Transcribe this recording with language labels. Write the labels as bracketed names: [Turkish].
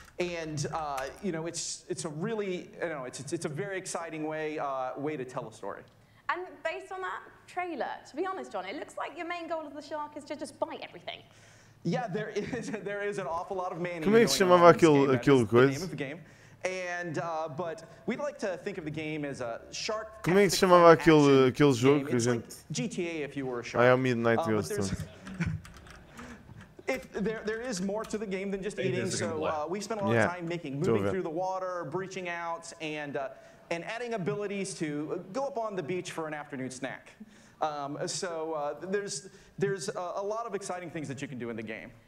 [English] And you know, it's a really, I don't know, it's a very exciting way to tell a story. And based on that trailer, to be honest, John, it looks like your main goal of the shark is to just bite everything. Yeah, there is an awful lot of Maneater. [Portuguese] Como é que se chamava aquilo coisa? [English] The name of the game. And but we'd like to think of the game as a shark. [Portuguese] Como é que se chamava aquele jogo que a gente? [English] Like GTA if you were a shark. [Portuguese] Ah, é o Midnight Ghost. [English] If there is more to the game than just eating, so we spent a lot of time moving through the water, breaching out and adding abilities to go up on the beach for an afternoon snack. There's a lot of exciting things that you can do in the game.